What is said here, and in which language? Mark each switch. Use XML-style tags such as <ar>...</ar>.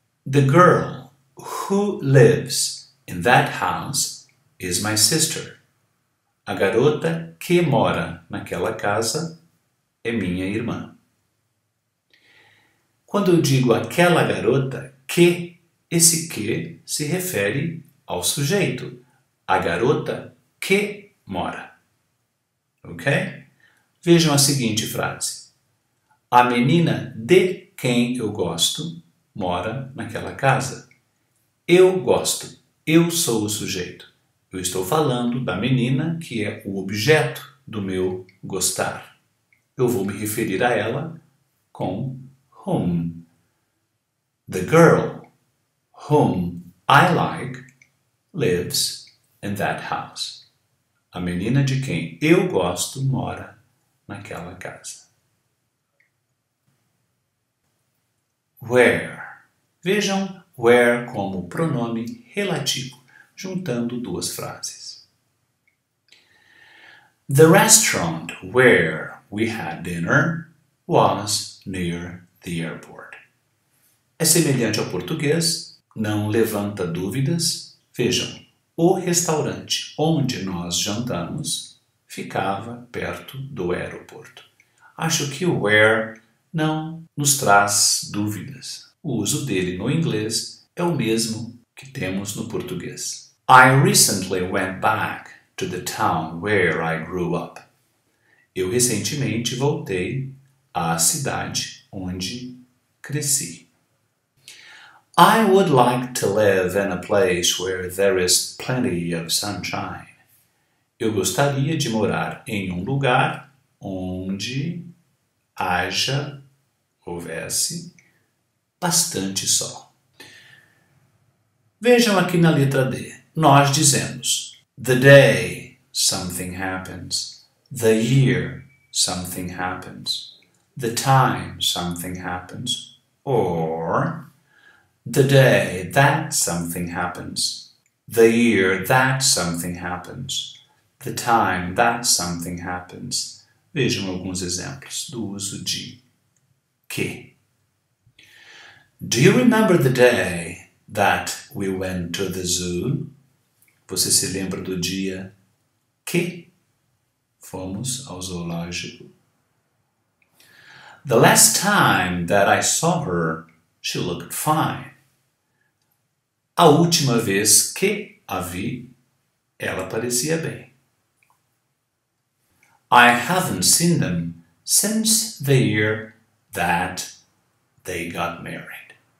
<en>The girl who lives in that house is my sister.</en> <pt>A garota que mora naquela casa é minha irmã. Quando eu digo aquela garota, que, esse que se refere ao sujeito. A garota que mora. Ok? Vejam a seguinte frase. A menina de quem eu gosto mora naquela casa. Eu gosto. Eu sou o sujeito. Eu estou falando da menina que é o objeto do meu gostar. Eu vou me referir a ela com whom.</pt> <en>The girl whom I like lives in that house.</en> <pt>A menina de quem eu gosto mora naquela casa. Where. Vejam where como pronome relativo, juntando duas frases.</pt> <en>The restaurant where we had dinner was near the airport.</en> <pt>É semelhante ao português, não levanta dúvidas. Vejam, o restaurante onde nós jantamos ficava perto do aeroporto. Acho que o where não nos traz dúvidas. O uso dele no inglês é o mesmo que temos no português.</pt> <en>I recently went back to the town where I grew up.</en> <pt>Eu recentemente voltei à cidade onde cresci.</pt> <en>I would like to live in a place where there is plenty of sunshine.</en> <pt>Eu gostaria de morar em um lugar onde haja, houvesse, bastante sol. Vejam aqui na letra D. Nós dizemos</pt> <en>the day something happens, the year something happens, the time something happens, or the day that something happens, the year that something happens, the time that something happens.</en> <pt>Vejam alguns exemplos do uso de que.</pt> <en>Do you remember the day that we went to the zoo?</en> <pt>Você se lembra do dia que fomos ao zoológico?</pt> <en>The last time that I saw her, she looked fine.</en> <pt>A última vez que a vi, ela parecia bem.</pt> <en>I haven't seen them since the year that they got married.</en>